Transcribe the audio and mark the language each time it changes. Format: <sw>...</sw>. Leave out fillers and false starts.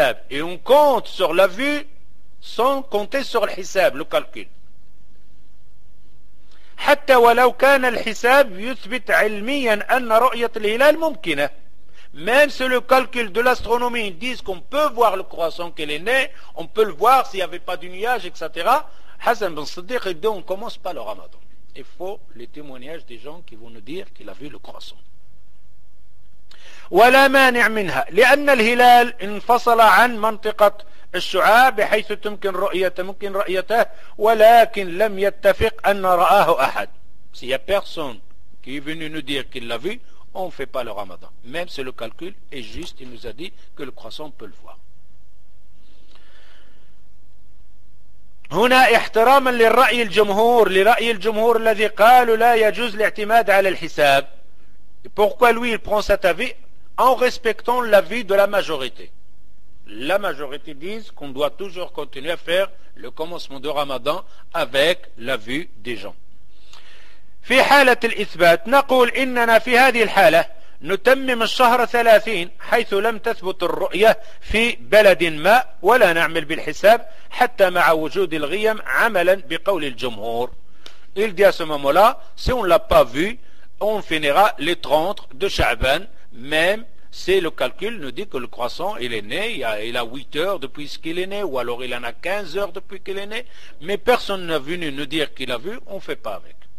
<fr>Et on compte sur la vue sans compter sur le hisab, le calcul.</fr> <ar>حتى ولو كان الحساب يثبت علميا أن رؤية الهلال ممكنة.</ar> <fr>Même si le calcul de l'astronomie dit qu'on peut voir le croissant qu'elle est née, on peut le voir s'il n'y avait pas de nuages, etc. Hassan ibn Siddiq, on ne commence pas le ramadan. Il faut les témoignages des gens qui vont nous dire qu'il a vu le croissant.</fr> <ar>ولا مانع منها لأن الهلال انفصل عن منطقة الشعاع بحيث تمكن رؤيته ممكن رؤيته ولكن لم يتفق أن رآه أحد.</ar> <fr>S'il y a personne qui est venu nous dire qu'il l'a vu, on ne fait pas le ramadan. Même si le calcul est juste, il nous a dit que le croissant peut le voir.</fr> <ar>هنا احتراما للرأي الجمهور لرأي الجمهور الذي قالوا لا يجوز الاعتماد على الحساب.</ar> <fr>Pourquoi lui il prend cet avis? En respectant l'avis de la majorité. La majorité disent qu'on doit toujours continuer à faire le commencement de Ramadan avec la vue des gens.</fr> <ar>في حالة الإثبات نقول إننا في هذه الحالة نتمم الشهر 30 حيث لم تثبت الرؤية في بلد ما ولا نعمل بالحساب حتى مع وجود الغيم عملا بقول الجمهور.</ar> <fr>Il dit à ce moment-là, si on ne l'a pas vu, on finira les 30 de Sha'ban. Même si le calcul nous dit que le croissant il est né, il a 8 heures depuis qu'il est né, ou alors il en a 15 heures depuis qu'il est né, mais personne n'a venu nous dire qu'il a vu, on ne fait pas avec.</fr>